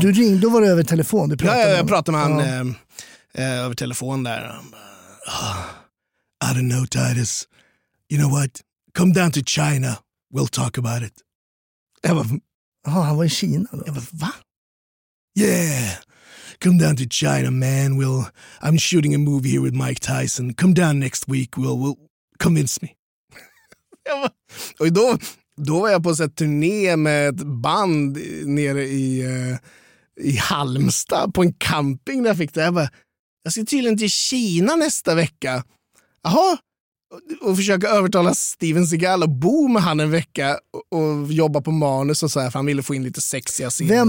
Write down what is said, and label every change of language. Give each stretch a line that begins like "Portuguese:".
Swedish: Du ringde, då var det över telefon. Du pratade med han över telefon där. Han bara,
English: I don't know, Titus. You know what? Come down to China. We'll talk about it.
Swedish: Jag bara, han var i Kina då? Jag bara, va?
English: Yeah. Come down to China, man. I'm shooting a movie here with Mike Tyson. Come down next week. We'll convince me.
Swedish: Jag bara, och då var jag på ett turné med ett band nere i Halmstad på en camping där jag fick det. Jag bara, jag ska tydligen till Kina nästa vecka. Jaha. Och försöka övertala Steven Seagal och bo med han en vecka och jobba på manus och så här, för han ville få in lite sexiga scener.